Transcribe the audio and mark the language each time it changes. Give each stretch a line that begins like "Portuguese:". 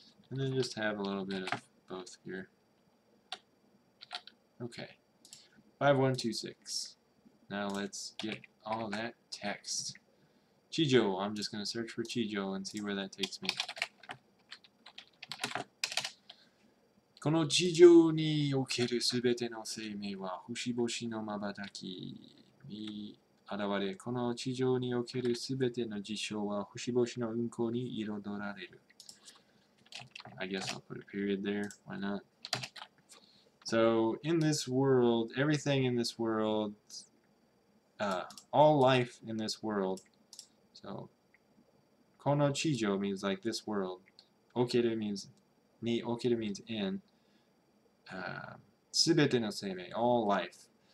English: And then just have a little bit of both here. Okay. 5126. Now let's get all that text. Chijo. I'm just going to search for Chijo and see where that takes me.
Japanese: この地上におけるすべての生命は星々のまばたき。現れ、この地上における全ての事象は星々の運行に彩られる。
English: I guess I'll put a period there. Why not? So, in this world, everything in this world, all life in this world, so,
Japanese: この地上
English: means like this world. Okeru means, ni okeru means in.
Japanese: 全ての生命,
English: all life.